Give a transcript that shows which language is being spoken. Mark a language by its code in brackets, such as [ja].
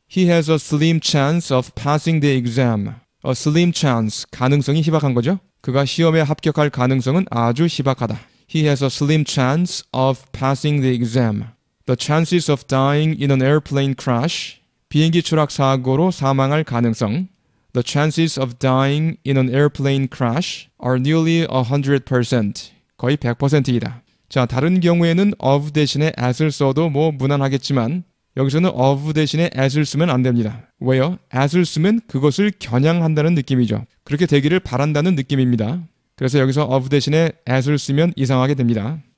[en] He has a slim chance of passing the exam. A slim chance, [ko] 가능성이 희박한 거죠. 그가 시험에 합격할 가능성은 아주 희박하다. [en] He has a slim chance of passing the exam. The chances of dying in an airplane crash. [ko] 비행기 추락 사고로 사망할 가능성. [en] The chances of dying in an airplane crash are nearly 100%. [ko] 거의 100%이다. 자, 다른 경우에는 of 대신에 at을 써도 뭐 무난하겠지만 여기서는 of 대신에 at을 쓰면 안 됩니다. 왜요? at을 쓰면 그것을 겨냥한다는 느낌이죠. 그렇게 되기를 바란다는 느낌입니다. 그래서 여기서 of 대신에 at을 쓰면 이상하게 됩니다.